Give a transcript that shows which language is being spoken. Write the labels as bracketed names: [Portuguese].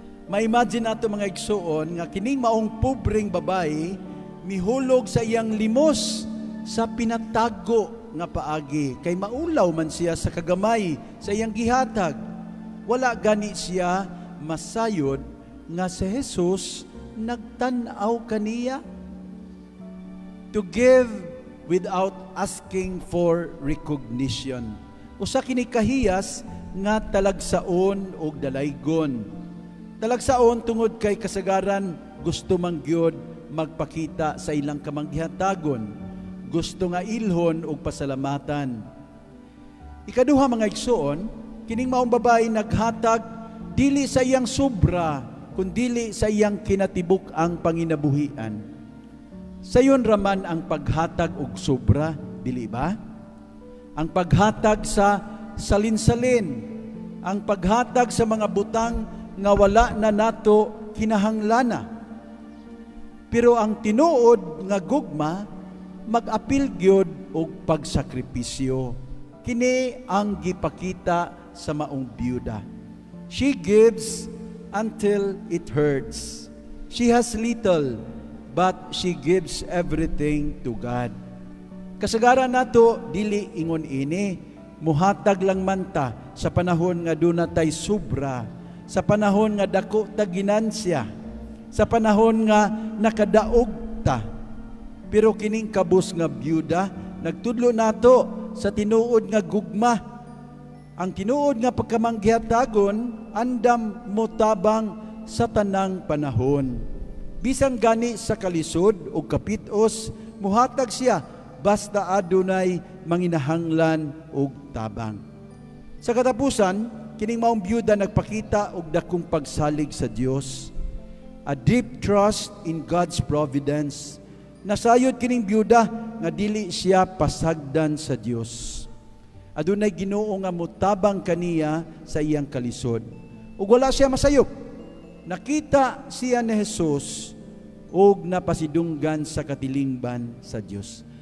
[Cebuano] Ma-imagine nato mga igsuon nga kining maong pobreng babae mihulog sa iyang limos sa pinatago nga paagi. Kay maulaw man siya sa kagamay sa iyang gihatag. Wala gani siya masayod nga si Jesus nagtanaw kaniya. [English] To give without asking for recognition. [Cebuano] Usa kini kahiyas nga talagsaon og dalaygon. Talagsaon tungod kay kasagaran gusto mang gyud magpakita sa ilang kamanggihatagon. Gusto nga ilhon og pasalamatan. Ikaduha mga igsuon, kining maong babae naghatag dili sa iyang sobra kundili sa iyang kinatibuk ang panginabuhian. Sayon raman ang paghatag og sobra, dili ba? Ang paghatag sa salinsalin, ang paghatag sa mga butang nga wala na nato kinahanglana. Pero ang tinuod nga gugma, mag-apil gyud og pagsakripisyo. Kini ang gipakita sa maong byuda. [English] She gives until it hurts. She has little, but she gives everything to God. [Cebuano] Kasagaran nato, dili ingon ini, muhatag lang manta sa panahon nga dunatay sobra, sa panahon nga dako ta ginansya, sa panahon nga nakadaog ta. Pero kining kabus nga byuda, nagtudlo nato sa tinuod nga gugma. Ang tinuod nga pagkamanggihatagon, andam mo tabang sa tanang panahon. Bisang gani sa kalisod o kapitos, muhatag siya basta adunay manginahanglan o tabang. Sa katapusan, kining maong byuda nagpakita og dakong pagsalig sa Dios. [English] A deep trust in God's providence. [Cebuano] Nasayod kining byuda nga dili siya pasagdan sa Dios. Adunay Ginoo nga mutabang kaniya sa iyang kalisod. Ug wala siya masayop. Nakita siya ni Jesus ug napasidunggan sa katilingban sa Dios.